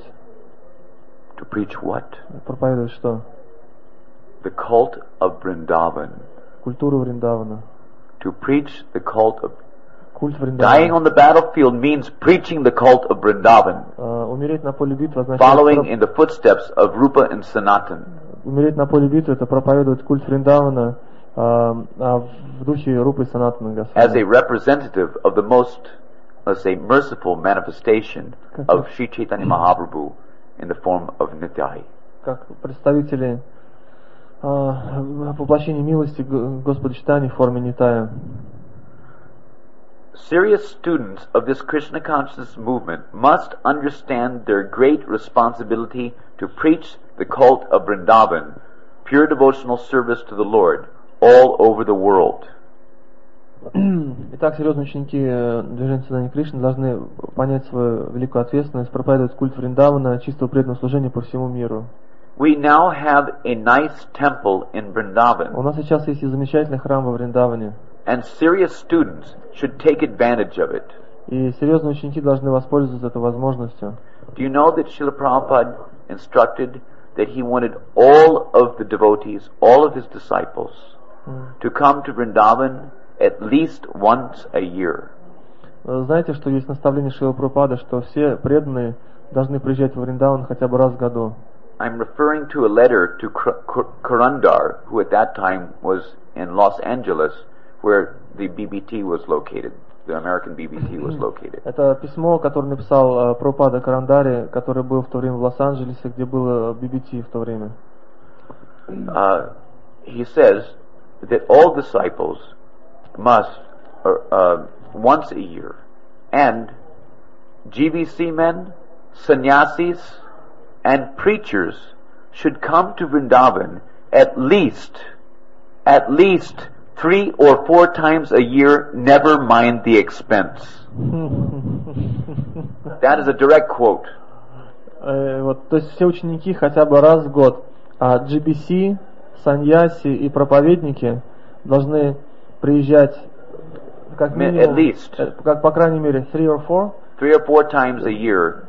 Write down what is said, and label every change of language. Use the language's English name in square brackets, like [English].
[Russian] проповедовать [English] to preach what [Russian] проповедовать что [English] the cult of Vrindavan [Russian] культуру Вриндавана [English] to preach the cult of [Russian] Культ Вриндавана. [English] Dying on the battlefield means preaching the cult of Vrindavan. [Russian] Умереть на поле битвы означает [English] following in the footsteps of Rupa and Sanatan. [Russian] Умереть на поле битвы это проповедовать культ Вриндавана в духе Рупы и Санатана Госвами. [English] As a representative of the most, let's say, merciful manifestation of Sri Chaitanya Mahaprabhu in the form of Nityai. [Russian] Как представители воплощения милости Господа Читани в форме Нитая. [English] Serious students of this Krishna consciousness movement must understand their great responsibility to preach the cult of Vrindavan, pure devotional service to the Lord, all over the world. [Russian] Итак, серьезные ученики движения сознания Кришны должны понять свою великую ответственность, проповедовать культ Вриндавана, чистого преданного служения по всему миру. [English] We now have a nice temple in Vrindavan. [Russian] У нас сейчас есть замечательный храм во Вриндаване. [English] And serious students should take advantage of it. [Russian] И серьезные ученики должны воспользоваться этой возможностью. [English] Do you know that Srila Prabhupada instructed that he wanted all of the devotees, all of his disciples, to come to Vrindavan at least once a year? [Russian] Знаете, что есть наставление Шрилы Прабхупады, что все преданные должны приезжать в Вриндаван хотя бы раз в году. [English] I'm referring to a letter to Kurandar, who at that time was in Los Angeles. Where the BBT was located, the American BBT was located. [Russian] Это письмо, которое написал Прабхупада Карандари, который был в то время в Лос-Анджелесе, где было BBT в то время. [English] He says that all disciples must once a year, and GBC men, sannyasis, and preachers should come to Vrindavan at least. Three or four times a year, never mind the expense. That is a direct quote. [Russian] Вот, то есть все ученики хотя бы раз в год, а GBC, саньяси и проповедники должны приезжать как минимум, [English] at least, [Russian] как по крайней мере [English] three or four. Three or four times a year.